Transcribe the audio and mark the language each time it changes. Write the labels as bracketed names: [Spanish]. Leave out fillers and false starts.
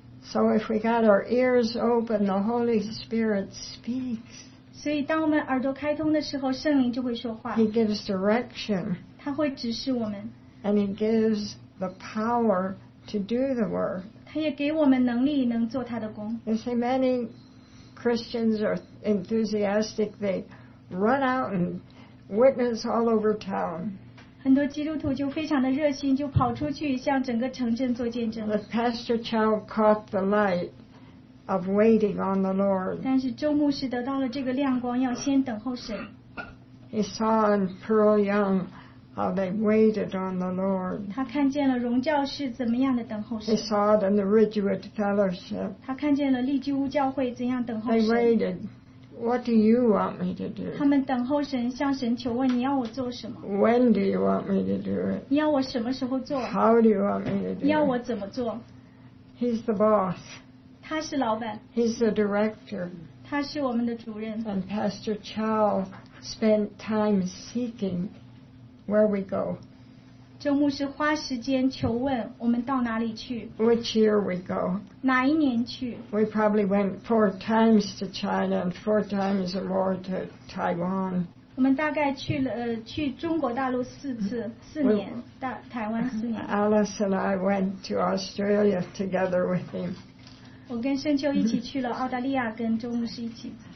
[English] So if we got our ears open, the Holy Spirit speaks. [Chinese] 所以当我们耳朵开通的时候, 圣灵就会说话。 [English] He gives direction. [Chinese] 他会指示我们。 [English] And He gives the power to do the work. [Chinese] 他也给我们能力能做他的工。 [English] You see, many Christians are enthusiastic. They run out and witness all over town. [Chinese] 很多基督徒就非常的热心, 就跑出去, [English] the Pastor Chow caught the light of waiting on the Lord. He saw in Pearl Young how they waited on the Lord. [Chinese] 他看见了荣教士怎么样的等候神。 [English] He saw it in the Ridgewood Fellowship. [Chinese] 他看见了利基屋教会怎样等候神。 [English] They waited. What do you want me to do? [Chinese] 他们等候神, 向神求问, 你要我做什么? [English] When do you want me to do it? [Chinese] 你要我什么时候做? [English] How do you want me to do it? [Chinese] 你要我怎么做? [English] He's the boss. [Chinese] 他是老板。 [English] He's the director. [Chinese] 他是我们的主任。 [English] And Pastor Chow spent time seeking where we go. [Chinese] 周牧师花时间求问我们到哪里去? [English] Which year we go? [Chinese] 哪一年去? [English] We probably went 4 times to China and 4 times or more to Taiwan. [Chinese] 我们大概去了去中国大陆四次，四年，大台湾四年。 [English] Alice and I went to Australia together with him. [Chinese] 我跟圣秋一起去了澳大利亚，跟周牧师一起。